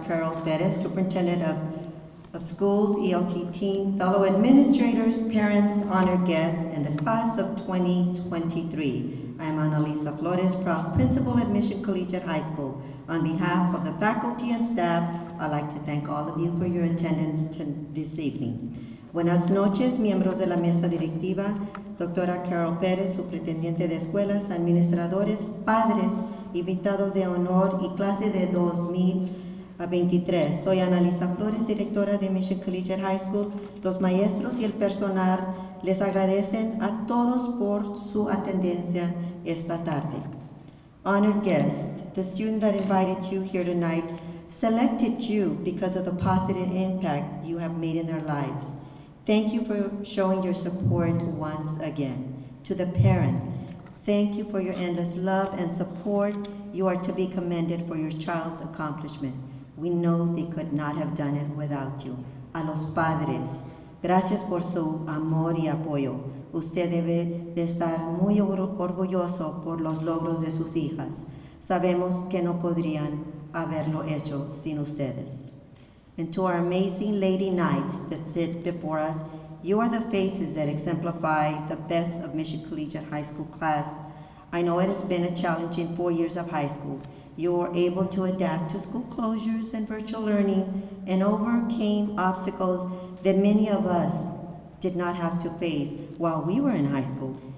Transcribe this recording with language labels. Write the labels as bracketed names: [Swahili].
[English] Carol Bettis, Superintendent of Schools, ELT team, fellow administrators, parents, honored guests, and the class of 2023. I am Annalisa Flores, proud principal at Mission Collegiate High School. On behalf of the faculty and staff, I'd like to thank all of you for your attendance this evening. [Spanish] Buenas noches, miembros de la mesa directiva, Dra. Carol Bettis, Superintendente de Escuelas, administradores, padres, invitados de honor y clase de 2023. Soy Annalisa Flores, directora de Mission Collegiate High School. Los maestros y el personal les agradecen a todos por su atendencia esta tarde. [English] Honored guest, the student that invited you here tonight selected you because of the positive impact you have made in their lives. Thank you for showing your support once again. To the parents, thank you for your endless love and support. You are to be commended for your child's accomplishment. We know they could not have done it without you. [Spanish] A los padres, gracias por su amor y apoyo. Usted debe de estar muy orgulloso por los logros de sus hijas. Sabemos que no podrían haberlo hecho sin ustedes. [English] And to our amazing lady knights that sit before us, you are the faces that exemplify the best of Mission Collegiate High School class. I know it has been a challenging 4 years of high school. You were able to adapt to school closures and virtual learning and overcame obstacles that many of us did not have to face while we were in high school.